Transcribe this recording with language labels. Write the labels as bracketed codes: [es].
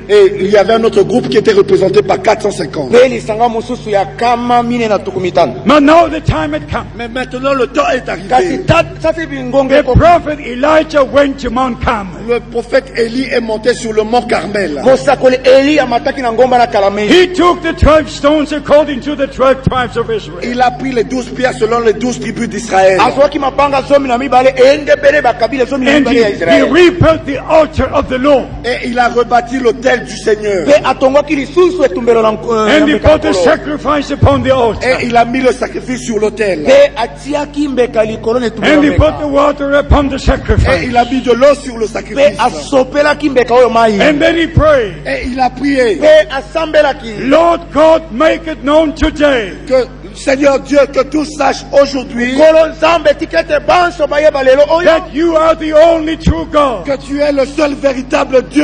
[fr] Et il y avait un autre groupe qui était représenté par 450. [en] But now the time had come. [fr] Mais maintenant le temps est arrivé. [en] The prophet Elijah went to Mount Carmel. [fr] Le prophète Élie est monté sur le Mont Carmel. [en] He took the 12 stones according to the 12 tribes of Israel. [fr] Il a pris les 12 pierres selon les 12 tribus d'Israël. [en] And he rebuilt the altar of the Lord. [fr] Et il a rebâti l'autel du Seigneur. [en] And he put the sacrifice upon the altar. [fr] Et il a mis le sacrifice sur l'autel. [en] And he put the water upon the sacrifice. [fr] Et il a mis de l'eau sur le sacrifice. [en] And then he prayed. [fr] Et il a prié. [en] Lord God, make it known today. [fr] Que Seigneur Dieu, que tout sache aujourd'hui [en] that you are the only true God. [fr] Que tu es le seul véritable Dieu.